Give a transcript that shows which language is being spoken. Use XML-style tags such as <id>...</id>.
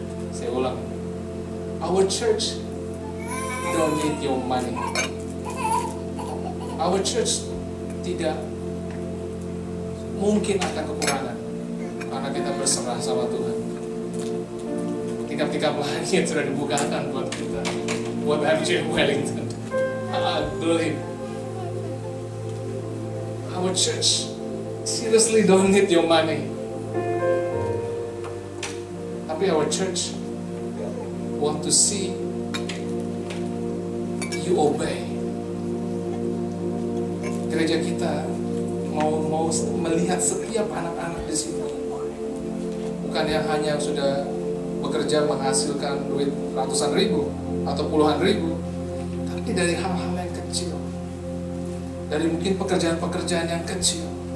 <id>Saya ulang,</id> <en>our church don't need your money. Our church</en> <id>tidak mungkin akan kekurangan karena kita berserah sama Tuhan. Tingkap-tingkap lain sudah dibukakan buat kita, buat FJ Wellington. Alhamdulillah.</id> <en>Our church seriously don't need your money. Tapi our church want to see you obey.</en> <id>Gereja kita mau melihat setiap anak-anak di sini. Bukan yang hanya sudah bekerja menghasilkan duit ratusan ribu atau puluhan ribu, tapi dari hal-hal yang kecil, dari mungkin pekerjaan-pekerjaan yang kecil.</id>